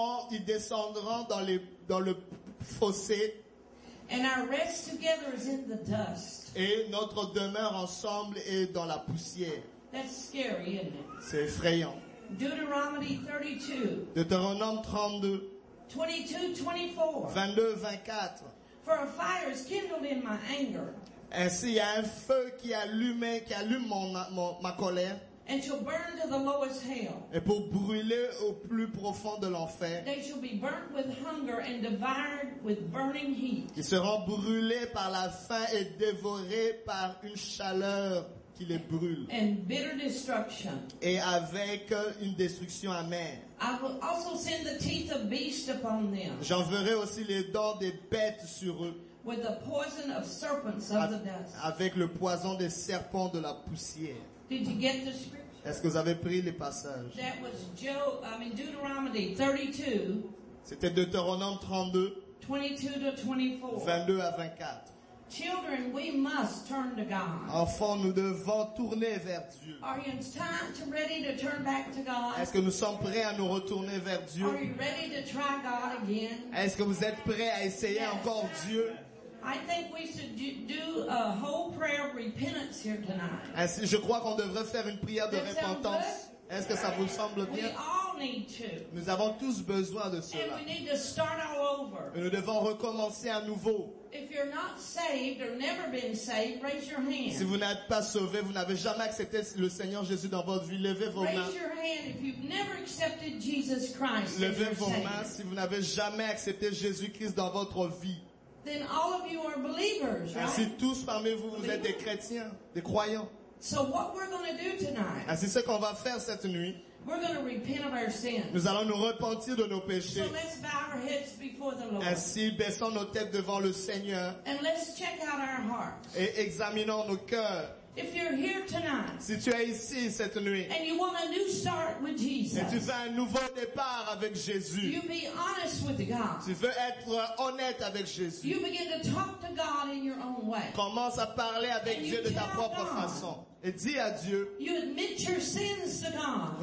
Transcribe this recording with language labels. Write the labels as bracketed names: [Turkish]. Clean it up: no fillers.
[French] Ils descendront dans le fossé. [English] And our rest together is in the dust. [French] Et notre demeure ensemble est dans la poussière. [English] That's scary, isn't it? [French] C'est effrayant. [English] Deuteronomy 32. [French] Deutéronome 32. [English] 22, 24. [French] 22, 24. [English] For a fire is kindled in my anger. [French] Ainsi, il y a un feu qui allume ma colère. [English] And shall burn to the lowest hell. [French] Et pour brûler au plus profond de l'enfer. [English] They shall be burnt with hunger and devoured with burning heat. [French] Ils seront brûlés par la faim et dévorés par une chaleur qui les brûle. [English] And bitter destruction. [French] Et avec une destruction amère. [English] I will also send the teeth of beasts upon them. [French] J'enverrai aussi les dents des bêtes sur eux. [English] With the poison of serpents of the dust. [French] Avec le poison des serpents de la poussière. [English] Did you get the scripture? [French] Est-ce que vous avez pris les passages? [English] That was Deuteronomy 32. [French] C'était Deutéronome 32. [English] 22 to 24. [French] 22 à 24. [English] Children, we must turn to God. [French] Enfants, nous devons tourner vers Dieu. [English] Are you ready to turn back to God? [French] Est-ce que nous sommes prêts à nous retourner vers Dieu? [English] Are you ready to try God again? [French] Est-ce que vous êtes prêts à essayer encore Dieu? [English] I think we should do a whole prayer of repentance here tonight. [French] Ainsi, je crois qu'on devrait faire une prière de repentance. Est-ce que ça vous semble bien? [English] We all need to. [French] Nous avons tous besoin de cela. [English] And we need to start all over. [French] Et nous devons recommencer à nouveau. [English] If you're not saved or never been saved, raise your hand. [French] Si vous n'êtes pas sauvé, vous n'avez jamais accepté le Seigneur Jésus dans votre vie, levez vos mains. [English] Raise your hand if you've never accepted Jesus Christ. [French] Levez vos mains si vous n'avez jamais accepté Jésus-Christ dans votre vie. [English] then all of you are believers, right? [French] Ainsi tous parmi vous, vous êtes des chrétiens, des croyants. [English] So what we're going to do tonight? [French] Ainsi ce qu'on va faire cette nuit. [English] We're going to repent of our sins. [French] Nous allons nous repentir de nos péchés. [English] So let's bow our heads before the Lord. [French] Ainsi baissons nos têtes devant le Seigneur. [English] And let's check out our hearts. [French] Et examinons nos cœurs. [English] If you're here tonight. [French] Si tu es ici cette nuit. [English] And you want a new start with Jesus. [French] Et tu veux un nouveau départ avec Jésus. [English] You be honest with God. [French] Tu veux être honnête avec Jésus. [English] You begin to talk to God in your own way. [French] Commence à parler avec [English] and [French] Dieu de ta propre [English] God. [French] Façon. Et dis à Dieu. [English] You admit your sins to God.